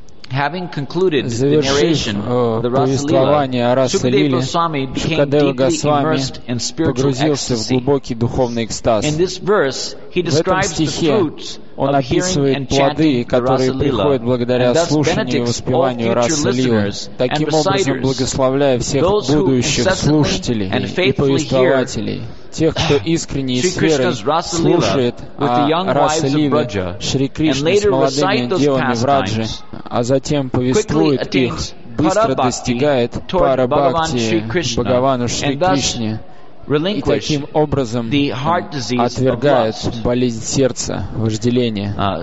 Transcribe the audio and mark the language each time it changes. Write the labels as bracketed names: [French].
[English] Having concluded the narration, the Rasalila, Shukadeva Goswami [Russian] погрузился в глубокий духовный экстаз. [English] In this verse, he describes the fruits of hearing and chanting the Rasalila, and thus benedicts all future listeners and reciters, [Russian] таким образом благословляя всех будущих слушателей and повествователей. Тех, кто искренне и с верой слушает о Расалиле, Шри Кришне с молодыми девами Враджи, а затем повествует их, быстро достигает пара-бхакти Бхагавану Шри Кришне и таким образом отвергает болезнь сердца, вожделение.